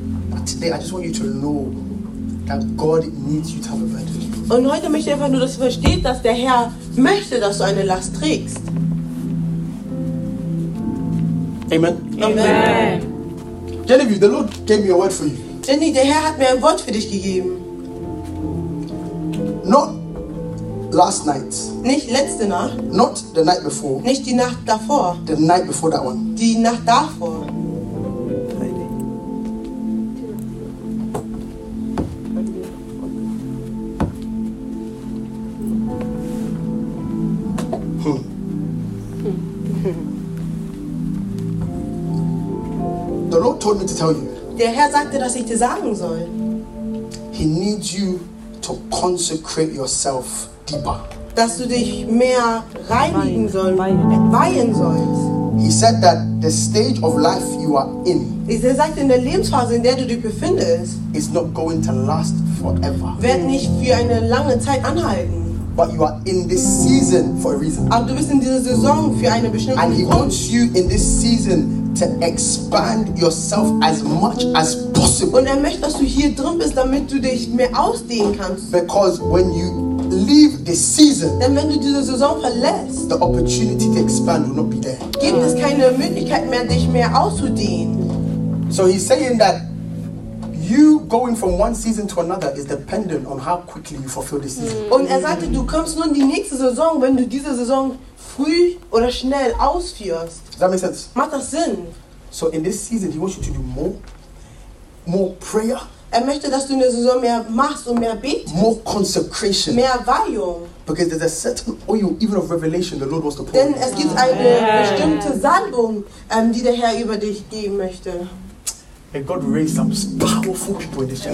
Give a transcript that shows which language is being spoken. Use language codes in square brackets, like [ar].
[en] But today I just want you to know that God needs you to have a burden. [de] Und heute möchte ich einfach nur, dass du verstehst, dass der Herr möchte, dass du eine Last trägst. [en] Amen. Amen. Genevieve, the Lord gave me a word for you. [de] Jenny, der Herr hat mir ein Wort für dich gegeben. [en] Not last night. [de] Nicht letzte Nacht. [en] Not the night before. [de] Nicht die Nacht davor. [en] The night before that one. [de] Die Nacht davor. [en] The Lord told me to tell you. [de] Der Herr sagte, dass ich dir sagen soll. [en] He needs you to consecrate yourself deeper. [de] Dass du dich mehr reinigen sollst, weihen sollst. [en] He said that the stage of life you are in. [de] Er sagte, in der Lebensphase, in der du dich befindest, [en] is not going to last forever. [de] Wird nicht für eine lange Zeit anhalten. [en] But you are in this season for a reason. [de] Aber du bist in dieser Saison für eine bestimmte. [en] And he wants you in this season to expand yourself as much as possible. [de] Und möchte, dass du hier drin bist, damit du dich mehr ausdehnen kannst. [en] Because when you leave this season, [de] denn wenn du diese Saison verlässt, [en] the opportunity to expand will not be there. [de] Gibt es keine Möglichkeit mehr, dich mehr auszudehnen. [en] So he's saying that you going from one season to another is dependent on how quickly you fulfill this season. [de] Und sagte, du kommst nur in die nächste Saison, wenn du diese Saison früh oder schnell ausführst. [en] Does that make sense? [de] Macht das Sinn? [en] So in this season, he wants you to do more prayer. [de] Möchte, dass du in der Saison mehr machst und mehr betest. [en] More consecration. [de] Mehr Weihung. [en] Because there's a certain oil, even of revelation, the Lord wants to pour. [de] Denn es gibt eine bestimmte Salbung, die der Herr über dich geben möchte. [en] May God raise some powerful people in this church.